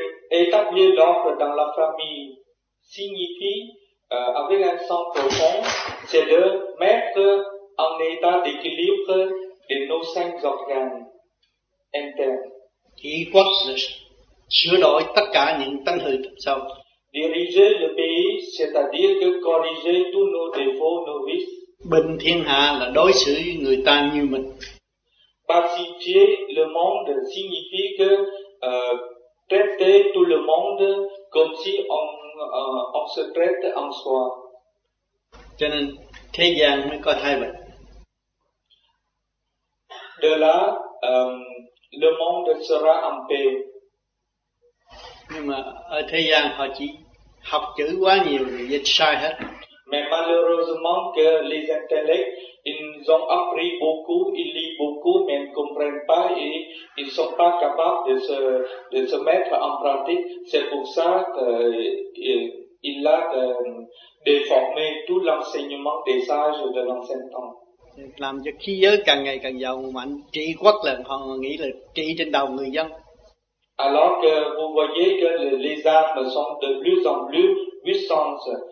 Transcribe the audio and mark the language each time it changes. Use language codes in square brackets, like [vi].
[fr] Établir l'ordre dans la famille signifie, avec un sens profond, c'est de mettre en état d'équilibre de nos cinq organes internes. [vi] Qui quốc sửa đổi tất cả những tâm hư tật xấu. [fr] Diriger le pays, c'est-à-dire que corriger tous nos défauts, nos vices. [vi] Bình thiên hạ là đối xử với người ta như mình. [fr] Pacifier le monde signifie que traiter tout le monde comme si on se traite en soi. [vi] Cho nên thế gian mới có thay bệnh. [fr] De là le monde sera en paix. [vi] Nhưng mà ở thế gian họ chỉ học chữ quá nhiều rồi dịch sai hết. [fr] Mais malheureusement que les intellects, ils ont appris beaucoup, ils lisent beaucoup, mais ils ne comprennent pas et ils ne sont pas capables de se mettre en pratique. C'est pour ça qu'il a déformé tout l'enseignement des sages de l'ancien temps. [vi] Làm cho khí giới càng ngày càng giàu mạnh, trị quốc là họ nghĩ là trị trên đầu người dân. [fr] Alors que vous voyez que les armes sont de plus en plus puissantes.